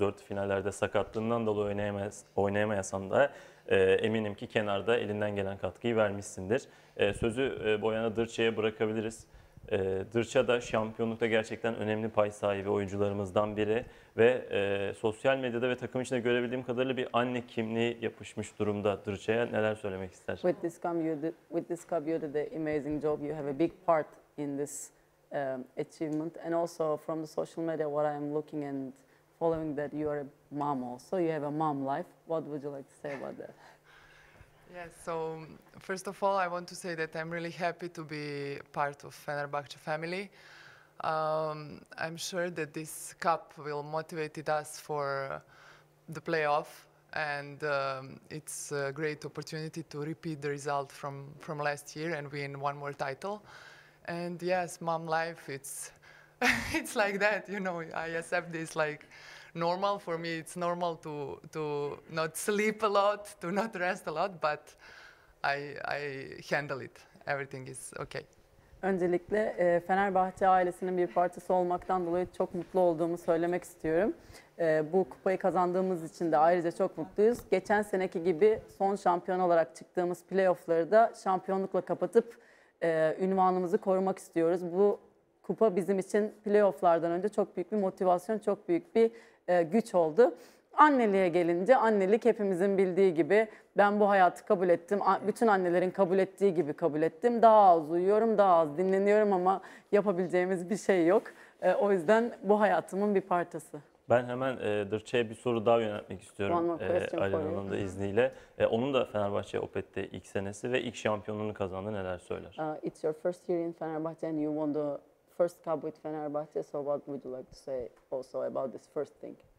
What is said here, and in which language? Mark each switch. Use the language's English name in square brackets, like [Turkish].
[Turkish] 4 finallerde sakatlığından dolayı oynayamayasan da eminim ki kenarda elinden gelen katkıyı vermişsindir. Sözü Boyan'a, Dırça'ya bırakabiliriz. Dırça da şampiyonlukta gerçekten önemli pay sahibi oyuncularımızdan biri ve sosyal medyada ve takım içinde görebildiğim kadarıyla bir anne kimliği yapışmış durumda. Dırça'ya neler söylemek ister? [English] With this come you did the amazing job. You have a big part in this achievement and also from the social media what I am looking and following that you are a mom also. You have a mom life. What would you like to say about that? Yes, so first of all, I want to say that I'm really happy to be part of Fenerbahçe family. I'm sure that this cup will motivate us for the playoff, and it's a great opportunity to repeat the result from last year and win one more title. And yes, mom life, it's it's like that, you know, I accept this like normal for me. It's normal to not sleep a lot, to not rest a lot, but I handle it. Everything is okay. [Turkish] Öncelikle Fenerbahçe ailesinin bir parçası olmaktan dolayı çok mutlu olduğumu söylemek istiyorum. Bu kupayı kazandığımız için de ayrıca çok mutluyuz. Geçen seneki gibi son şampiyon olarak çıktığımız playoff'ları da şampiyonlukla kapatıp unvanımızı korumak istiyoruz. Bu kupa bizim için playoff'lardan önce çok büyük bir motivasyon, çok büyük bir güç oldu. Anneliğe gelince, annelik hepimizin bildiği gibi, ben bu hayatı kabul ettim. Bütün annelerin kabul ettiği gibi kabul ettim. Daha az uyuyorum, daha az dinleniyorum ama yapabileceğimiz bir şey yok. O yüzden bu hayatımın bir parçası. Ben hemen Dırça'ya bir soru daha yöneltmek istiyorum. Alev Hanım'ın da izniyle. Onun da Fenerbahçe Opet'te ilk senesi ve ilk şampiyonluğunu kazandı. Neler söyler? [English] It's your first year in Fenerbahçe and you won the first cup with Fenerbahçe. So what would you like to say also about this first thing?